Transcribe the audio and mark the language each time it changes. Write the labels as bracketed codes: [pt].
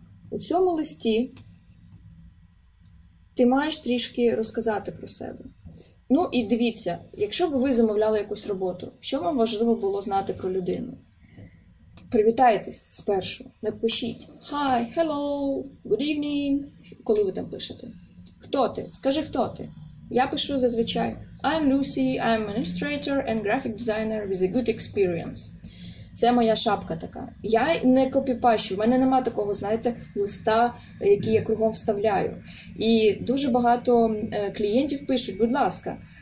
[uk] У цьому листі ти маєш трішки розказати про себе. Ну і дивіться, якщо б ви замовляли якусь роботу, що вам важливо було знати про людину? Привітайтесь спершу, напишіть [en] «Hi», «Hello», «Good evening», [uk] коли ви там пишете. Хто ти? Скажи, хто ти? Я пишу зазвичай [en] «I'm Lucy, I'm an illustrator and graphic designer with a good experience». [uk] Це моя шапка така. Я не копіпащу, в мене нема такого, знаєте, листа, який я кругом вставляю. І дуже багато клієнтів пишуть «Будь ласка».